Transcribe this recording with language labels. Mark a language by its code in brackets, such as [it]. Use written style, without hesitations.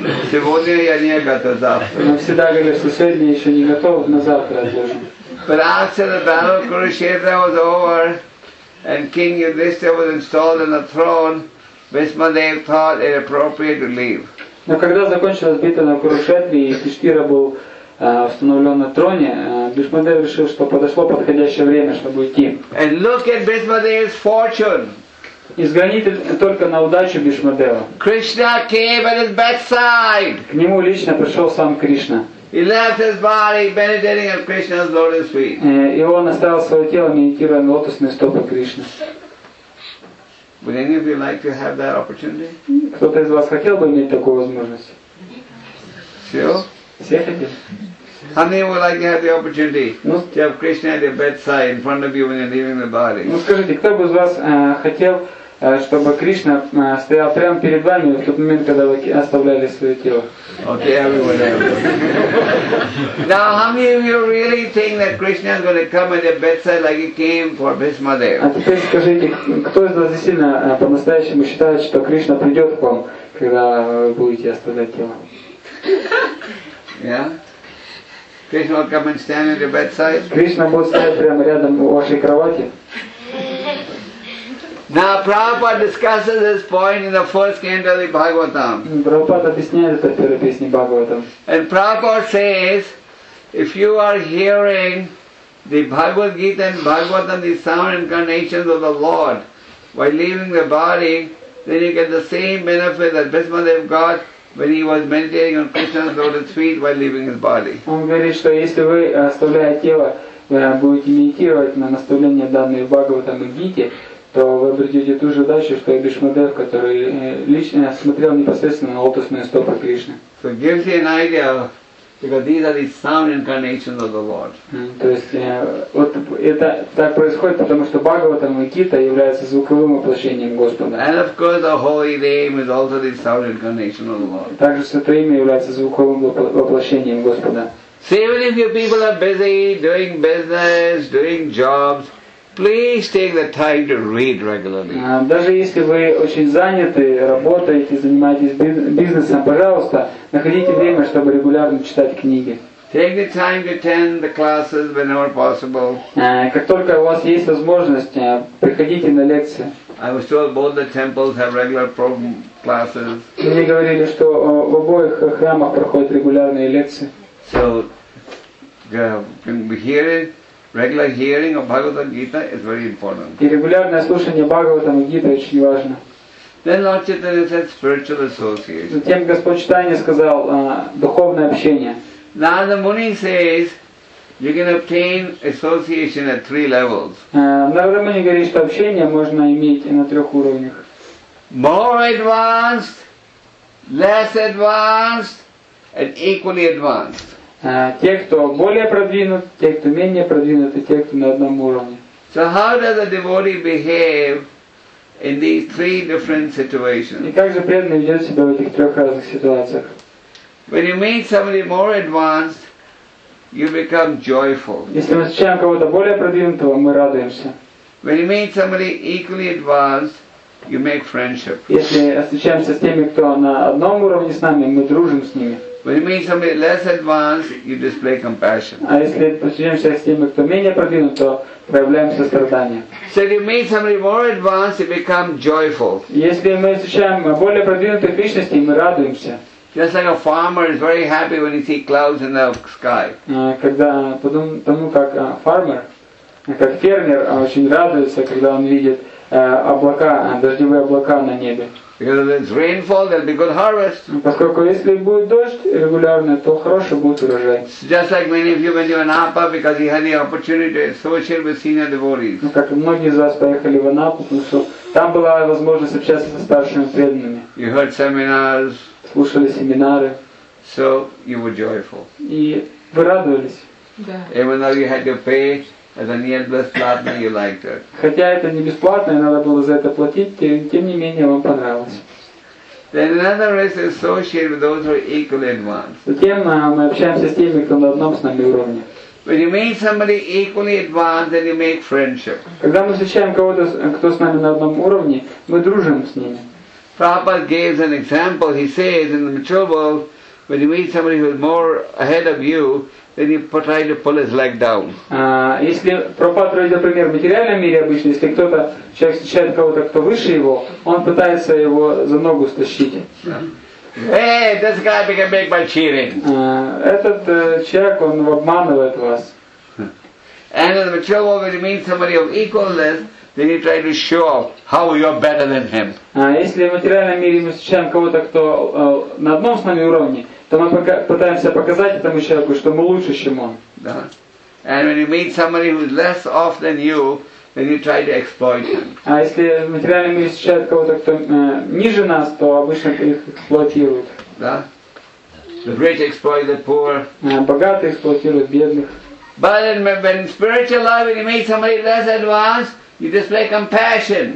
[ru] Сегодня я не готов завтра. Мы всегда говорили, что сегодня еще не готов, но завтра отложим. [en] But after the battle of Kurukshetra was over, and King Yudhishthira was installed on the throne, Bhishma Dev thought it appropriate to leave. [ru] Но когда закончилась битва на Курукшетре, и Юдхиштхира был установлен на троне, Бхишма Дев решил, что подошло подходящее время, чтобы уйти. [en] And look at Bhishma Dev's fortune. [ru] И взгляните только на удачу Бхишма Дева. [en] Krishna came at his bedside. [ru] К нему лично пришел сам Кришна. [en] He left his body meditating at Krishna's lotus feet. [ru] И он оставил свое тело, медитируя на лотосные стопы Кришны. [en] Would any of you like to have that opportunity? [ru] Кто-то из вас хотел бы иметь такую возможность? Все? [en] How many would like to have the opportunity to have Krishna at your bedside in front of you when you're leaving the body? [ru] Ну скажите, кто бы из вас хотел, чтобы Кришна стоял прямо перед вами в тот момент, когда вы оставляли свое тело? [en] Okay, everyone. Now, how many of you really think that Krishna is going to come at your bedside like he came for Bhishma Dev? [ru] А теперь скажите, кто из вас действительно по-настоящему считает, что Кришна придет к вам, когда вы будете оставлять тело? [en] Yeah? Krishna will come and stand at your bedside. [ru] Krishna будет стоять прямо рядом у вашей кровати. [en] Now Prabhupada discusses this point in the 1st canto of the Bhagavatam. [ru] Prabhupada объясняет это в первой песне Бхагаватам. [en] And Prabhupada says, if you are hearing the Bhagavad Gita and Bhagavatam, the sound incarnations of the Lord, while leaving the body, then you get the same benefit that Bhishma Dev got when he was meditating on Krishna's lotus feet while leaving his body. [ru] Он говорит, что если вы оставляя тело, будете медитировать на наставления данные Бхагаватам и Гите, то вы обретете ту же удачу, что и Бхишма Дев, который лично смотрел непосредственно на лотосные стопы Кришны. [en] So gives you an idea, because these are the sound incarnations of the Lord. [ru] То есть вот это так происходит, потому что Бхагаватам и Гита являются звуковым воплощением Господа. [en] And of course the holy name is also the sound incarnation of the Lord. [ru] Также Святое Имя является звуковым воплощением Господа. [en] So even if your people are busy doing business, doing jobs, please take the time to read regularly. [ru] Даже если вы очень заняты, работаете, занимаетесь бизнесом, пожалуйста, находите время, чтобы регулярно читать книги. [en] Take the time to attend the classes whenever possible. [ru] Как только у вас есть возможность, приходите на лекции. [en] I was told both the temples have regular program classes. [ru] Мне говорили, что в обоих храмах проходят регулярные лекции. [en] So, can we hear it? Regular hearing of Bhagavad Gita is very important. [ru] И регулярное слушание Бхагаватам и Гиты очень важно. [en] Then Lord Chaitanya said spiritual association. [ru] Затем Господь Читания сказал духовное общение. [en] Narada Muni says you can obtain association at 3 levels. [ru] Narada Muni говорит, что общение можно иметь и на 3 уровнях. [en] More advanced, less advanced, and equally advanced. [ru] Те, кто более продвинут, те, кто менее продвинут, и те, кто на одном уровне. [en] So how does a devotee behave in these 3 different situations? [ru] И как же преданный ведет себя в этих 3 разных ситуациях? [en] When you meet somebody more advanced, you become joyful. [ru] Если мы встречаем кого-то более продвинутого, мы радуемся. [en] When you meet somebody equally advanced, you make friendship. [ru] Если встречаемся с теми, кто на одном уровне с нами, мы дружим с ними. [en] When you meet somebody less advanced, you display compassion. [ru] А если встречаемся с теми, кто менее продвинут, то проявляем сострадание. [en] So if you meet somebody more advanced, you become joyful. [ru] Если мы встречаем более продвинутых личностей, мы радуемся. [en] Just like a farmer is very happy when he sees clouds in the sky. [ru] Когда тому как фермер, как фермер очень радуется, когда он видит облака, дождевые облака на небе. [en] Because if it's rainfall, there'll be good harvest. [ru] Поскольку если будет дождь регулярно, то хороший будет урожай. [en] Just like many of you went to Anapa because you had the opportunity to associate with senior devotees. [ru] Как многие из вас поехали в Анапу, потому что там была возможность общаться со старшими преданными. [en] You heard seminars. [ru] Слушали семинары. [en] So you were joyful. [ru] И вы радовались. Да. [en] Even though you had to pay as a near-blessed partner, you liked it. [ru] Хотя это не бесплатно, надо было за это платить, тем не менее вам понравилось. [en] Then another is associated with those who are equally advanced. [ru] Затем мы общаемся с теми, кто на одном с нами уровне. [en] When you meet somebody equally advanced, then you make friendship. [ru] Когда мы встречаем кого-то, кто с нами на одном уровне, мы дружим с ними. [en] Prabhupada gives an example. He says in the material world, when you meet somebody who is more ahead of you, then you try to pull his leg down. [ru] Если Прабхупада приводит пример в материальном мире обычно, если кто-то человек встречает кого-то, кто выше его, он пытается его за ногу стащить. [en] Hey, this guy can make by cheating. [ru] Этот человек он обманывает вас. [en] And in the material world, when you meet somebody of equalness, then you try to show off how you're better than him. [ru] Если в материальном мире мы встречаем кого-то, кто на одном с нами уровне, то мы пытаемся показать этому человеку, что мы лучше, чем он. Да. [en] And when you meet somebody who's less off than you, then you try to exploit him. [ru] А если в материальном мире встречают кого-то, кто ниже нас, то обычно их эксплуатируют. Да. [en] The rich exploit the poor. [ru] Богатые эксплуатируют бедных. [en] But when in spiritual life, when you meet somebody less advanced, you display compassion.